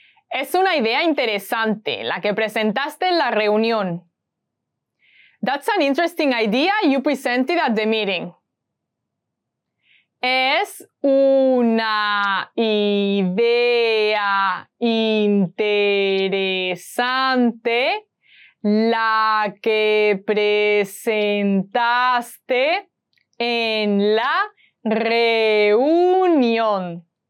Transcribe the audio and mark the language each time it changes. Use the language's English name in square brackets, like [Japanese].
[Spanish] Es una idea interesante, la que presentaste en la reunión. [English] That's an interesting idea you presented at the meeting. [Spanish] Es una idea interesante la que presentaste en la reunión.